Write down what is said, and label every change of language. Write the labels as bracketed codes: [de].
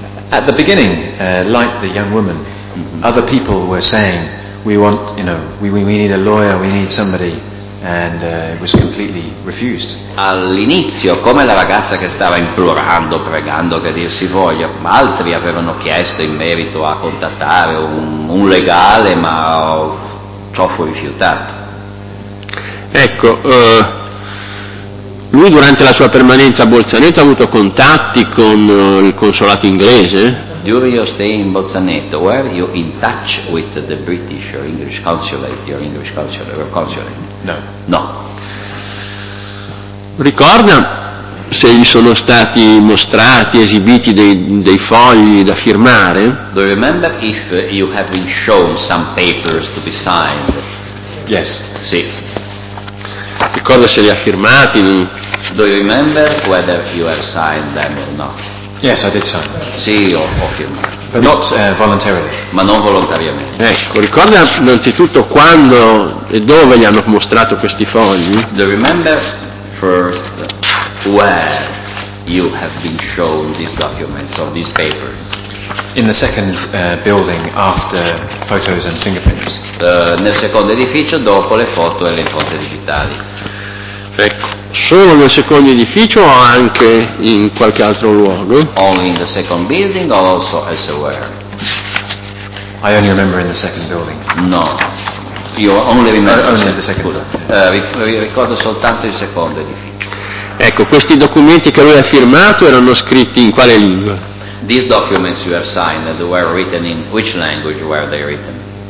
[en] At the beginning, like the young woman, mm-hmm. other people were saying, we want, you know, we need a lawyer, we need somebody, and it was completely refused. [it] All'inizio, come la ragazza che stava implorando, pregando che Dio si voglia, altri avevano chiesto in merito a contattare un legale, ma ciò fu rifiutato. Ecco, lui durante la sua permanenza a Bolzaneto ha avuto contatti con il consolato inglese? [en] During your stay in Bolzaneto, were you in touch with the British or English consulate, your English consulate or consulate? No. [it] No. Ricorda se gli sono stati mostrati, esibiti dei fogli da firmare? [en] Do you remember if you have been shown some papers to be signed? Yes. [it] Sì. Ricorda se li ha firmati? [en] Do you remember whether you have signed them or not? Yes, I did sign. [it] Sì, ho firmato. [en] But not voluntarily. [it] Ma non volontariamente. Ecco, ricorda innanzitutto quando e dove gli hanno mostrato questi fogli? [en] Do you remember first where you have been shown these documents or these papers? In the second building after photos and fingerprints. [it] Nel secondo edificio dopo le foto e le impronte digitali. Ecco, solo nel secondo edificio o anche in qualche altro luogo? [en] Only in the second building or also elsewhere? I only remember in the second building. No, you only remember only in the second building. [it] Ricordo soltanto il secondo edificio. Ecco, questi documenti che lui ha firmato erano scritti in quale lingua? [en] These documents you have signed were written in which language were they written?